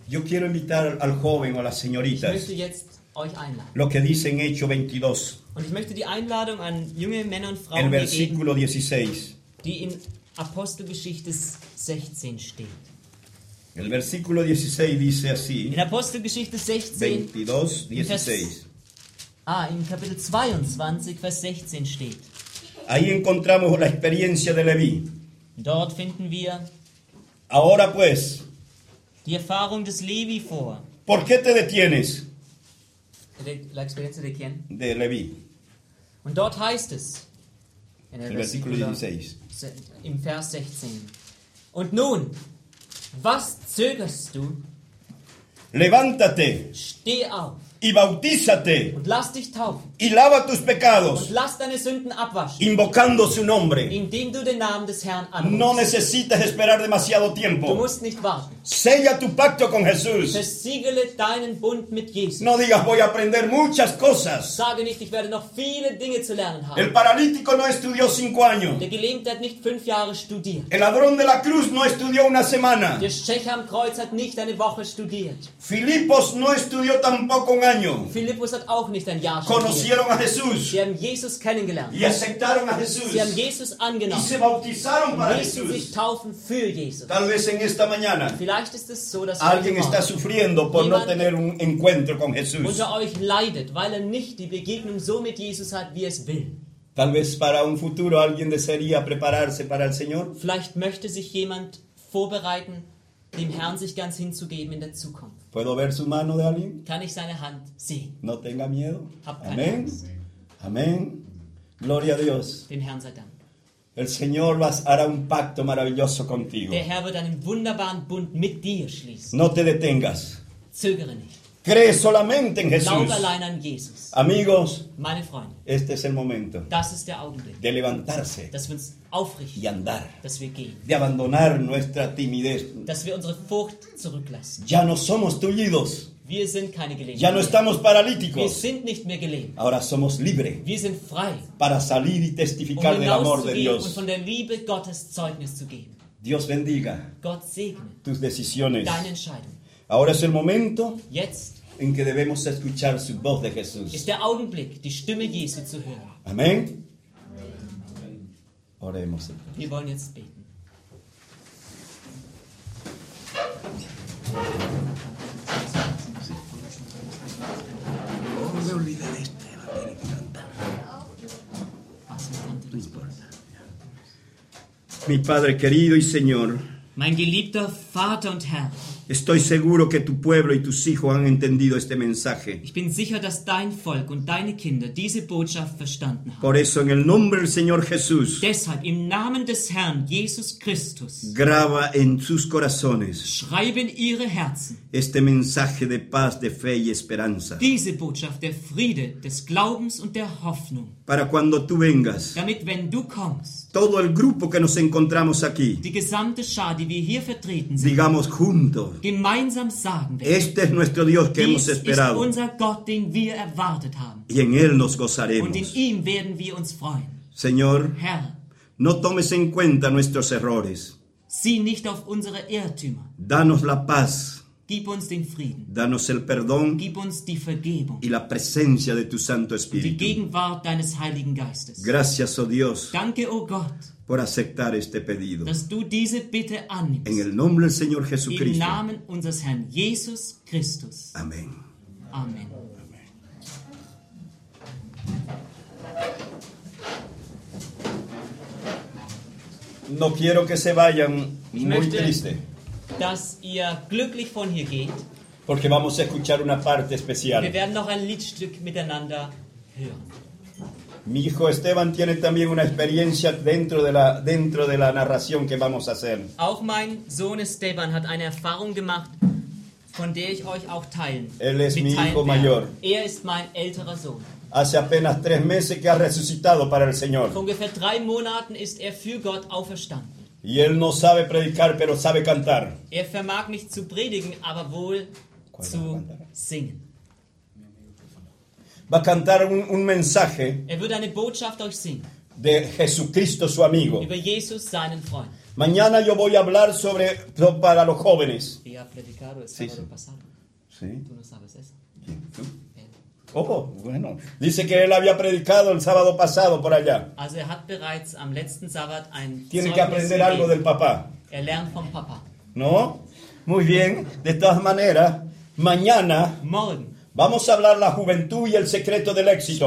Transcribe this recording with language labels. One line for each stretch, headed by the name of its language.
Spanish: Yo quiero invitar al joven o a las señoritas.
German: Ich möchte jetzt euch einladen.
Spanish: Lo que dice en Hechos 22.
German: Und ich möchte die Einladung an junge Männer und Frauen.
Spanish: El versículo 16.
German: Die in Apostelgeschichte 16 steht.
Spanish: El versículo 16 dice así.
German: In Apostelgeschichte 16. 22, 16. In Kapitel 22, Vers 16 steht.
Spanish: Ahí encontramos la experiencia de Leví.
German: Dort finden wir
Spanish: ahora pues,
German: die Erfahrung des Levi vor.
Spanish: ¿Por qué te detienes? La experiencia de quién? De Leví.
German: Und dort heißt es,
Spanish: in el versículo 16.
German: Im Vers 16. Und nun, was zögerst du?
Spanish: Levántate.
German: Steh auf.
Spanish: Y bautízate.
German: Und lass dich taufen.
Spanish: Y lava tus pecados.
German: Und lass deine Sünden abwaschen.
Spanish: Invocando su nombre.
German: Indem du den Namen des Herrn anrufst.
Spanish: No necesitas esperar demasiado tiempo.
German: Du musst nicht warten.
Spanish: Sella tu pacto con Jesús.
German: Versiegele deinen Bund mit Jesus.
Spanish: No digas voy a aprender muchas cosas.
German: Sage nicht, ich werde noch viele Dinge zu lernen haben.
Spanish: El paralítico no estudió 5 años.
German: Der Gelähmte hat nicht 5 Jahre studiert.
Spanish: El ladrón de la cruz no estudió una semana.
German: Der Schächer am Kreuz hat nicht eine Woche studiert.
Spanish: Filipos no estudió tampoco un año.
German: Filipos hat auch nicht ein Jahr studiert.
Spanish: Conocieron a Jesús.
German: Sie haben Jesus kennengelernt.
Spanish: Y aceptaron a Jesús.
German: Sie haben Jesus angenommen.
Spanish: Y se bautizaron para Jesús.
German: Ließen sich taufen für Jesus.
Spanish: Tal vez en esta mañana.
German: Vielleicht ist es so, dass
Spanish: alguien está sufriendo por no tener un encuentro con Jesús.
German: Unter euch leidet, weil er nicht die Begegnung so mit Jesus hat, wie es will.
Spanish: Tal vez para un futuro alguien desearía prepararse para el Señor.
German: Vielleicht möchte sich jemand vorbereiten, dem Herrn sich ganz hinzugeben in der Zukunft.
Spanish: ¿Puedo ver su mano de alguien?
German: Kann ich seine Hand sehen?
Spanish: No tenga miedo.
German: Hab keine Amen. Angst.
Spanish: Amen. Gloria a Dios.
German: Dem Herrn sei Dank.
Spanish: El Señor hará un pacto maravilloso contigo.
German: Der Herr wird einen wunderbaren Bund mit dir schließen.
Spanish: No te detengas.
German: Zögere nicht.
Spanish: Cree solamente en Jesús.
German: Glaube allein an Jesus.
Spanish: Amigos,
German: meine Freunde,
Spanish: este es el momento.
German: Das ist der Augenblick.
Spanish: De levantarse.
German: Dass wir uns aufrichten.
Spanish: Y andar.
German: Dass wir gehen.
Spanish: De abandonar nuestra timidez.
German: Dass wir unsere Furcht zurücklassen.
Spanish: Ya no somos tullidos.
German: Wir sind keine Gelähmten.
Spanish: Ya no estamos paralíticos.
German: Wir sind nicht mehr gelähmt.
Spanish: Ahora somos libres.
German: Wir sind frei.
Spanish: Para salir y testificar del amor de Dios.
German: Und von der Liebe Gottes Zeugnis zu geben.
Spanish: Dios bendiga.
German: Gott segne.
Spanish: Tus decisiones.
German: Deine Entscheidung.
Spanish: Ahora es el momento.
German: Jetzt.
Spanish: En que debemos escuchar su voz de Jesús.
German: Ist der Augenblick, die Stimme Jesu zu hören.
Spanish: Amén. Oremos.
German: Wir wollen jetzt beten.
Spanish: No me olvidé de este, va a tener que cantar. No importa. Mi Padre querido y Señor.
German: Mein geliebter Vater und Herr.
Spanish: Estoy seguro que tu pueblo y tus hijos han entendido este mensaje.
German: Ich bin sicher, dass dein Volk und deine Kinder diese Botschaft verstanden haben.
Spanish: Por eso, en el nombre del Señor Jesús.
German: Deshalb im Namen des Herrn Jesus Christus.
Spanish: Graba en sus corazones.
German: Schreibe in ihre Herzen.
Spanish: Este mensaje de paz, de fe y esperanza.
German: Diese Botschaft der Friede, des Glaubens und der Hoffnung.
Spanish: Para cuando tú vengas.
German: Damit wenn du kommst.
Spanish: Todo el grupo que nos encontramos aquí.
German: Die gesamte Schar, die wir hier vertreten sind.
Spanish: Digamos juntos.
German: Gemeinsam sagen wir.
Spanish: Este es nuestro Dios que hemos esperado.
German: Ist unser Gott, den wir erwartet haben.
Spanish: Y en él nos gozaremos.
German: Und in ihm werden wir uns freuen.
Spanish: Señor,
German: Herr,
Spanish: no tomes en cuenta nuestros errores.
German: Sieh nicht auf unsere Irrtümer.
Spanish: Danos la paz.
German: Gib uns den Frieden.
Spanish: Danos el perdón.
German: Gib uns die Vergebung.
Spanish: Y la presencia de tu Santo Espíritu.
German: Und die Gegenwart deines Heiligen Geistes.
Spanish: Gracias, oh Dios.
German: Danke, oh Gott.
Spanish: Por aceptar este pedido.
German: Dass du diese Bitte annimmst.
Spanish: En el nombre del Señor Jesucristo.
German: Im Namen unseres Herrn Jesus Christus.
Spanish: Amén. Amén. No quiero que se vayan muy triste.
German: Dass ihr glücklich von hier geht.
Spanish: Porque vamos a escuchar una parte especial.
German: Wir werden noch ein Liedstück miteinander hören.
Spanish: Mi hijo Esteban tiene también una experiencia dentro de la narración que vamos a hacer.
German: Auch mein Sohn Esteban hat eine Erfahrung gemacht. von der ich euch auch teilen.
Spanish: Él es mi hijo mayor.
German: Er ist mein älterer Sohn.
Spanish: Hace apenas tres meses que ha resucitado para el Señor.
German: Vor ungefähr drei Monaten ist er für Gott auferstanden.
Spanish: Y él no sabe predicar, pero sabe cantar.
German: Er vermag nicht zu predigen, aber wohl zu singen.
Spanish: Va a cantar un mensaje.
German: Er wird eine Botschaft euch singen.
Spanish: De Jesucristo, su amigo.
German: Über Jesus, seinen Freund.
Spanish: Mañana yo voy a hablar sobre para los jóvenes. Y ha predicado el sábado pasado. Sí. ¿Tú no sabes eso? ¿Quién? ¿Tú? Oh, bueno. Dice que él había predicado el sábado pasado por allá.
German: Also er hat bereits am letzten Sabbat ein Zeugnis gegeben.
Spanish: Tiene que aprender algo del papá.
German: Er lernt vom Papa.
Spanish: ¿No? Muy bien. De todas maneras, mañana.
German: Morgen.
Spanish: Vamos a hablar la juventud y el secreto del éxito.